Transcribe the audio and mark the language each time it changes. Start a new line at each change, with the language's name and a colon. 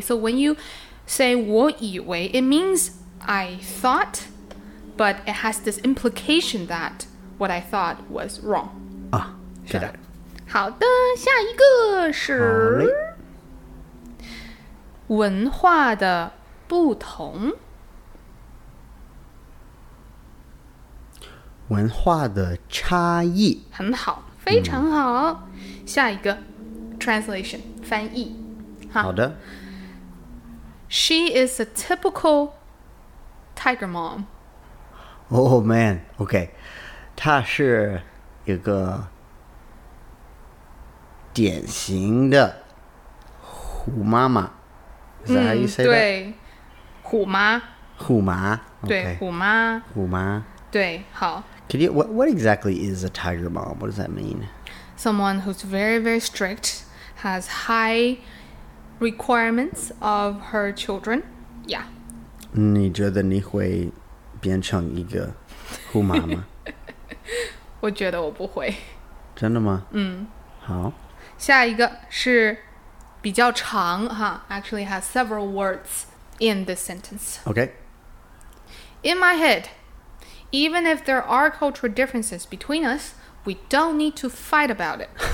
English: So when you say 我以为 it means I thought but it has this implication that what I thought was wrong
Chinese: 啊是的好的下一个是文化的不同文化的差异很好非常好。下一个 translation 翻译。好的。
English: She is a typical tiger mom. Oh man, okay.
Chinese: 她是一个典型的虎妈妈。
English: Is that how you say that?
Chinese: 对，虎妈。虎妈。对，虎妈。虎妈。对，好。
English: Could you, what exactly is a tiger mom? What does that mean? Someone who's very, very strict, has high requirements of her children. Yeah.
Chinese: 你觉得你会变成一个虎妈吗？我觉得我不会。真的吗？嗯。好。下一个是比较长哈
English: actually has several words in this sentence. Okay. In my head,Even if there are cultural differences between us, we don't need to fight about it.